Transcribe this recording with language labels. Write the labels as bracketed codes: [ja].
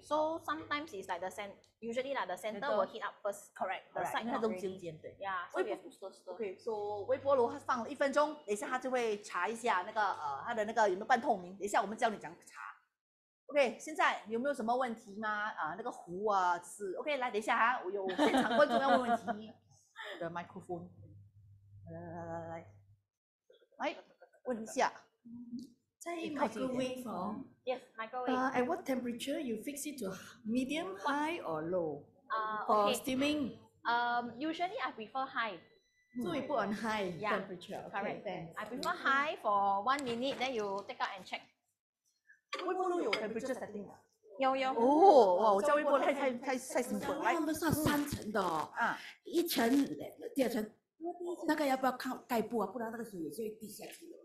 [en] So sometimes it's like the center, usually like the center will heat up first. Correct. The side [zh] 那种中间对。 [en] Yeah. [zh] 微波炉 Okay. So 微波炉它放了一分钟，等一下它就会查一下那个它的那个有没有半透明。等一下我们教你怎样查。OK， 现在有没有什么问题吗？那个壶啊，是 OK， 来，等一下啊，我有现场观众要问问题。 [en] The microphone， [zh] 来，问一下。在 microwave 哦 [en] ，Yes， microwave。 At what temperature you fix it to medium, high or low? For steaming. Usually I prefer high. So we put on high temperature. Yeah, okay, correct. Thanks. I prefer high for 1 minute, then you take out and check. [zh] 微波炉有 temperature setting 的，有哦，哇，我叫微波炉太辛苦了。我们是三层的，一层、第二层，那个要不要看盖布啊？不然那个水也就会滴下去了。